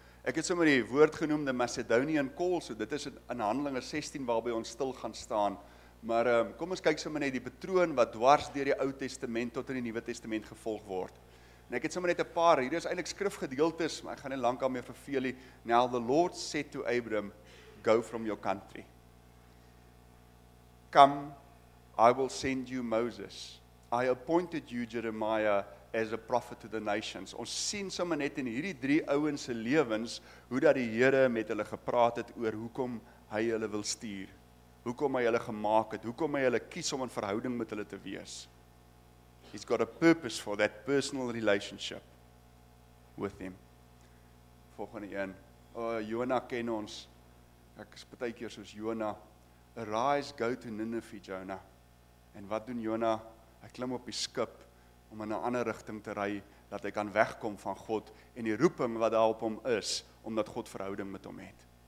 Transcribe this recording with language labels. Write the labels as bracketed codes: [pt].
[af] Ek het sommer die woord genoem, the Macedonian call, so dit is in Handelinge 16 waarby ons stil gaan staan. Maar kom ons kyk sommer net die patroon wat dwars deur die Ou Testament tot in die Nuwe Testament gevolg word. En ek het sommer net 'n paar, hier is eintlik skrifgedeeltes, maar ek gaan nie lank daarmee verveel nie. [en] Now the Lord said to Abram, go from your country. Come, I will send you Moses. I appointed you Jeremiah as a prophet to the nations. [af] Ons sien sommer net in hierdie drie ouens se lewens hoe dat die Here met hulle gepraat het oor hoekom hy hulle wil stuur. Hoekom hy hulle gemaak het, hoekom hy hulle kies om in verhouding met hulle te wees. [en] He's got a purpose for that personal relationship with him. [af] Volgende een. Jonah ken ons. Ek is baie keer soos Jonah. [en] Arise, go to Nineveh, Jonah. [af] En wat doen Jonah? Hy klim op die skip om in 'n ander rigting te ry, dat hy kan wegkom van God en die roeping wat daar op hom is, omdat God verhouding met hom het.